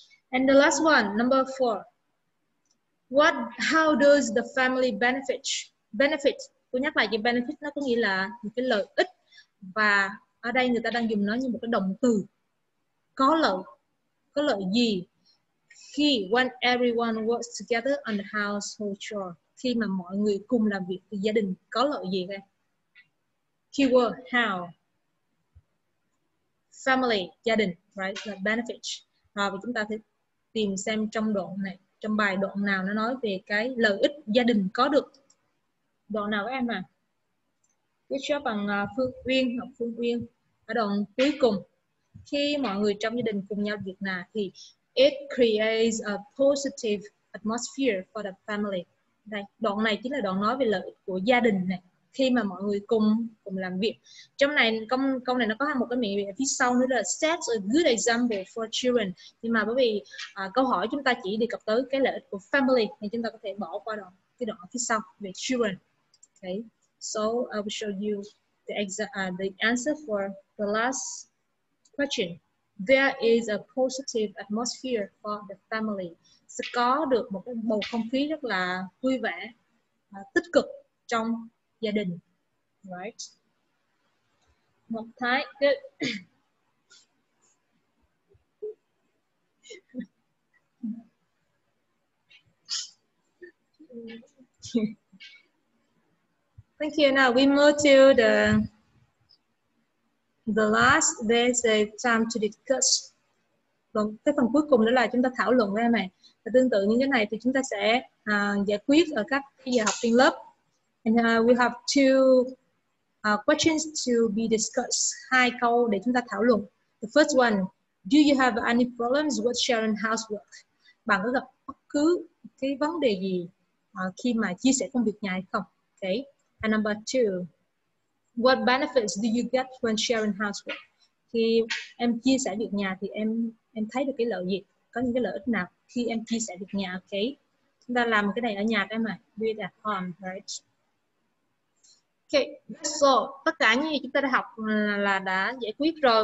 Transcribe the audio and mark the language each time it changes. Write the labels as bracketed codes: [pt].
[en] And the last one, number four. What, how does the family benefit? [vi] Benefit, tôi nhắc lại chữ benefit, nó có nghĩa là một cái lợi ích. Và ở đây người ta đang dùng nó như một cái động từ. Có lợi gì? [en] Khi, when everyone works together on the household chore. [vi] Khi mà mọi người cùng làm việc thì gia đình có lợi gì đây? Keyword, how. Family, gia đình, right? Là benefit. Rồi chúng ta sẽ tìm xem trong đoạn này, trong bài đoạn nào nó nói về cái lợi ích gia đình có được. Đoạn nào các em à? Workshop bằng Phương Uyên, học Phương Uyên. Ở đoạn cuối cùng, khi mọi người trong gia đình cùng nhau việc nào thì [en] it creates a positive atmosphere for the family. [vi] Đây, đoạn này chính là đoạn nói về lợi ích của gia đình này. Khi mà mọi người cùng làm việc. Trong này, câu này nó có một cái miệng ở phía sau nữa là [en] sets a good example for children. [vi] Nhưng mà bởi vì câu hỏi chúng ta chỉ đề cập tới cái lợi ích của family thì chúng ta có thể bỏ qua đoạn, cái đoạn phía sau về children. Okay. [en] So I will show you the answer for the last question. There is a positive atmosphere for the family. [vi] Sẽ có được một cái bầu không khí rất là vui vẻ, tích cực trong gia đình. [en] Right. Một Thái. Good. Thank you. Now we move to the last. There's a time to discuss. [vi] Còn cái phần cuối cùng đó là chúng ta thảo luận với em này. Và tương tự như thế này thì chúng ta sẽ giải quyết ở các giờ học trên lớp. [en] And we have two questions to be discussed. [vi] Hai câu để chúng ta thảo luận. [en] The first one: do you have any problems with sharing housework? [vi] Bạn có gặp bất cứ cái vấn đề gì khi mà chia sẻ công việc nhà hay không? Okay. [en] And number two, what benefits do you get when sharing housework? [vi] Khi em chia sẻ việc nhà thì em thấy được cái lợi gì? Có những cái lợi ích nào khi em chia sẻ việc nhà? Okay. Chúng ta làm cái này ở nhà các em ạ. [en] Do it at home, right? Okay. [vi] So, tất cả những gì chúng ta đã học là đã giải quyết rồi.